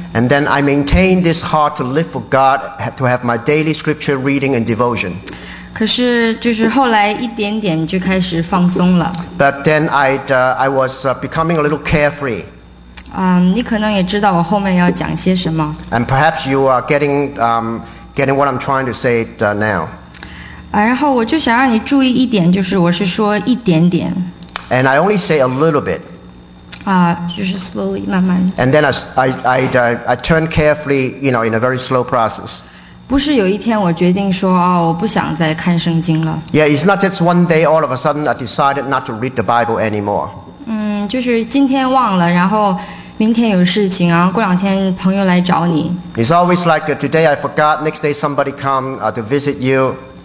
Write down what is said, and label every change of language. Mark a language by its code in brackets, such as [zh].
[en] And then I maintained this heart to live for God, to have my daily scripture reading and devotion. [zh] 可是就是后来一点点就开始放松了。 [en] But then I was becoming a little carefree. [zh] 你可能也知道我后面要讲些什么。 [en] And perhaps you are getting what I'm trying to say now. [zh] 然后我就想让你注意一点，就是我是说一点点。 [en] And I only say a little bit. [zh] 就是 slowly 慢慢。 [en] And then I turn carefully, you know, in a very slow process. [zh] 不是有一天我决定说，哦，我不想再看圣经了。 [en] Yeah, it's not just one day all of a sudden I decided not to read the Bible anymore. [zh] 就是今天忘了，然后 明天有事情，然后过两天朋友来找你。 [en] It's always like today I forgot, next day somebody come to visit you.